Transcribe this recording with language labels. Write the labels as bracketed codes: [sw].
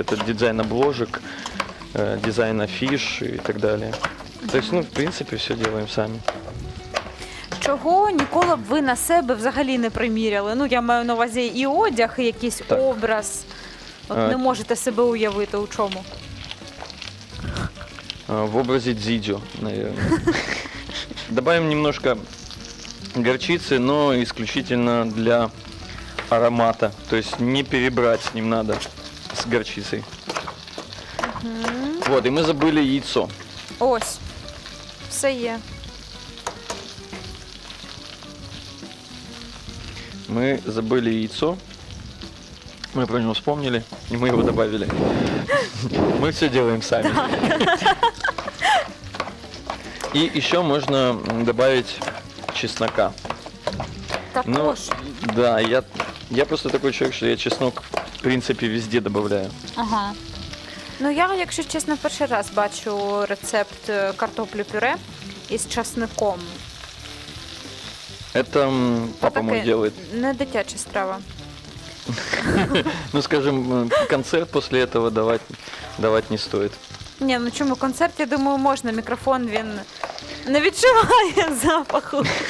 [ru] Это дизайн обложек, дизайн афиш и так далее. То есть, ну, в принципе, все делаем сами. [uk] Чого ніколи б ви на себе взагалі не приміряли? Ну, я маю на увазі і одяг, і якийсь так. Образ. От не можете себе уявити у чому? В образі дзідзю, [ru] наверное. Добавим немножко горчицы, но исключительно для аромата. То есть не перебрать с ним надо, с горчицей. Угу. Вот, и мы забыли яйцо. [uk] Ось, все є. [ru] Мы забыли яйцо. Мы про него вспомнили, и мы его добавили. Мы все делаем сами. И еще можно добавить чеснока. [uk] Також? [ru] Ну, да, я просто такой человек, что я чеснок, в принципе, везде добавляю. Ага. [uk] Ну, я, якщо чесно, перший раз бачу рецепт картоплю-пюре із чесноком. [ru] Это папа мой делает. [uk] Не дитяча страва. [ru] Ну, скажем, концерт после этого давать не стоит. [uk] Ні, ну чому концерт, я думаю, можна. Мікрофон він не відчуває запаху.